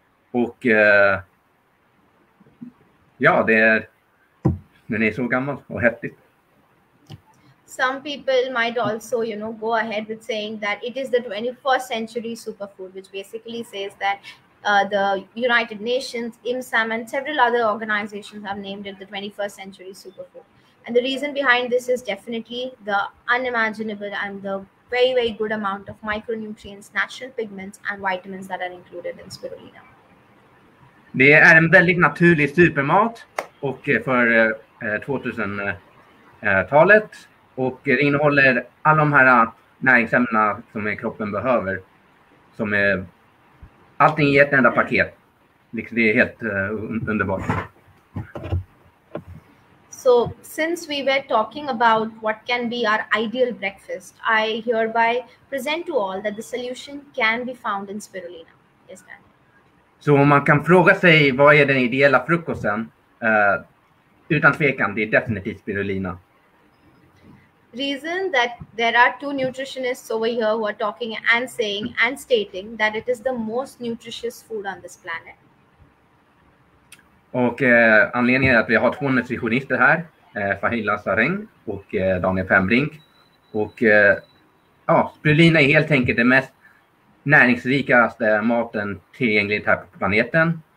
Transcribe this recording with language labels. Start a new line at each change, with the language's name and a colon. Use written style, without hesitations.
Swedish: Och ja, den är så gammal och häftig.
English: Some people might also, you know, go ahead with saying that it is the 21st century superfood, which basically says that the United Nations, IMSAM, and several other organizations have named it the 21st century superfood. And the reason behind this is definitely the unimaginable and the very, very good amount of micronutrients, natural pigments, and vitamins that are included in spirulina.
Swedish: Det är en väldigt naturlig supermat och för 2000-talet och innehåller alla de här näringsämnena som kroppen behöver. Som är allting i ett enda paket. Det är helt underbart.
English: So since we were talking about what can be our ideal breakfast, I hereby present to all that the solution can be found in spirulina. Yes, Dan.
Swedish: Så om man kan fråga sig vad är den ideella frukosten, utan tvekan, det är definitivt spirulina.
English: Reason that there are two nutritionists over here who are talking and saying and stating that it is the most nutritious food on this planet.
Swedish: Och anledningen är att vi har två nutritionister här, Faheela, Sarang och Daniel Pembrink. Och ja, spirulina är helt enkelt det mest näringsrikaste maten tillgängligt här på planeten.